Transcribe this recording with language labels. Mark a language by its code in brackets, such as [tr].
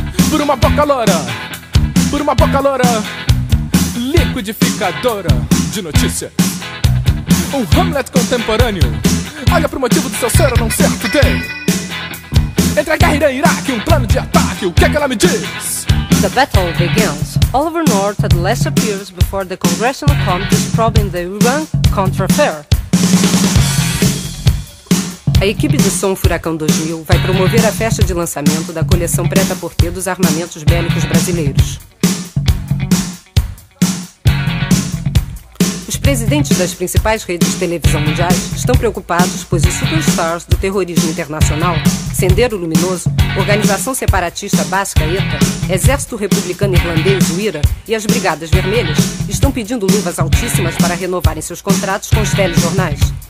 [pt] Por uma boca loura. Por uma boca loura. Liquidificadora de notícia. Um Hamlet contemporâneo olha pro motivo do seu ser ou não ser today. Entre a guerra e o Iraque, um plano de ataque, o que é que ela me diz? [en] The battle begins. Oliver North had less appears before the congressional committee probing the Iran Contra affair. [pt] A equipe de som Furacão 2000 vai promover a festa de lançamento da coleção Prêt-à-Porter dos armamentos bélicos brasileiros. Os presidentes das principais redes de televisão mundiais estão preocupados, pois os superstars do terrorismo internacional, Sendero Luminoso, Organização Separatista Básica ETA, Exército Republicano Irlandês, o IRA, e as Brigadas Vermelhas, estão pedindo luvas altíssimas para renovarem seus contratos com os telejornais.